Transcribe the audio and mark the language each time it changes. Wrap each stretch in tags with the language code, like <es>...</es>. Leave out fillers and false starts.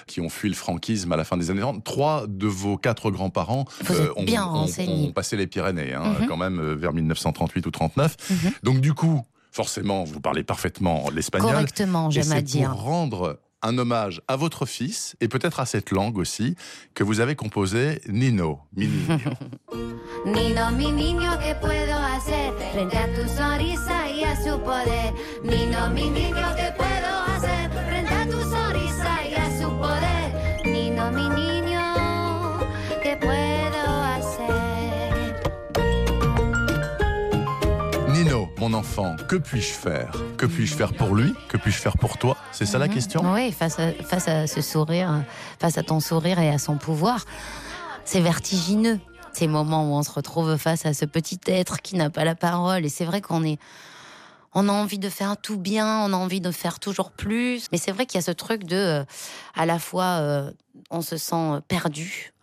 <fr>qui ont fui le franquisme à la fin des années 30. 3 de vos 4 grands-parents ont passé les Pyrénées, hein, mm-hmm. quand même, vers 1938 ou 39. Mm-hmm. Donc du coup, forcément, vous parlez parfaitement l'espagnol. Correctement, j'aime à dire. Et c'est pour rendre... un hommage à votre fils, et peut-être à cette langue aussi, que vous avez composé, Nino, mi niño.</fr> <es>Nino, mi niño, que puedo hacer frente a tu sonrisa y a su poder. Nino, mi niño, que puedo hacer frente a tu sonrisa y a su poder. Nino, mi niño, que puedo hacer.</es> <fr>Nino, mon enfant, que puis-je faire? Que puis-je faire pour lui? Que puis-je faire pour toi? C'est ça la question? Oui, face à ce sourire, face à ton sourire et à son pouvoir, c'est vertigineux, ces moments où on se retrouve face à ce petit être qui n'a pas la parole. Et c'est vrai qu'on a envie de faire tout bien, on a envie de faire toujours plus. Mais c'est vrai qu'il y a ce truc de, à la fois, on se sent perdu,</fr>